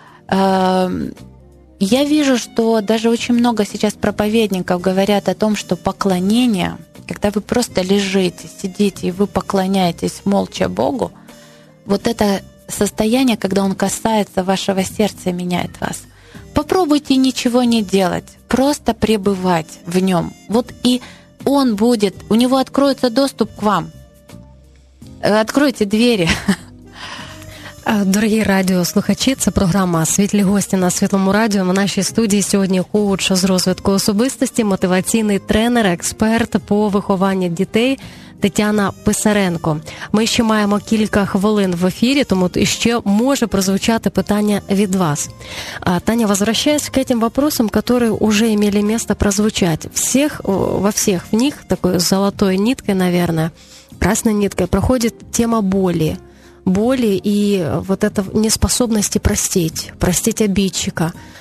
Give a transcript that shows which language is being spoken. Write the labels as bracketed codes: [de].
[ru] Я вижу, что даже очень много сейчас проповедников говорят о том, что поклонение, когда вы просто лежите, сидите, и вы поклоняетесь молча Богу, вот это состояние, когда Он касается вашего сердца и меняет вас. Попробуйте ничего не делать, просто пребывать в Нем. Вот и Он будет, у Него откроется доступ к вам. Откройте двери. [uk] Дорогі радіослухачі, це програма «Світлі гості» на Світлому радіо. В нашій студії сьогодні коуч з розвитку особистості, мотиваційний тренер, експерт по вихованню дітей Тетяна Писаренко. Ми ще маємо кілька хвилин в ефірі, тому ще може прозвучати питання від вас. [ru] Таня, возвращаюсь к этим вопросам, которые уже имели место прозвучать. Во всех в них такой золотой ниткой, наверное, красной ниткой проходит тема боли. Боли и вот это неспособности простить обидчика.